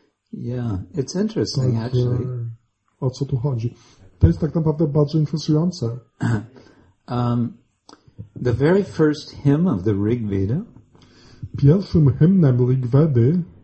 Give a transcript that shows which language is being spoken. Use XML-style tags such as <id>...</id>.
<en>Yeah, it's interesting</en> <pl>tak,</pl> <en>actually.</en> <pl>O co tu chodzi? To jest tak naprawdę bardzo interesujące.</pl> <en>The very first hymn of the Rig Veda.</en> <pl>Pierwszym hymnem Rig Vedy</pl>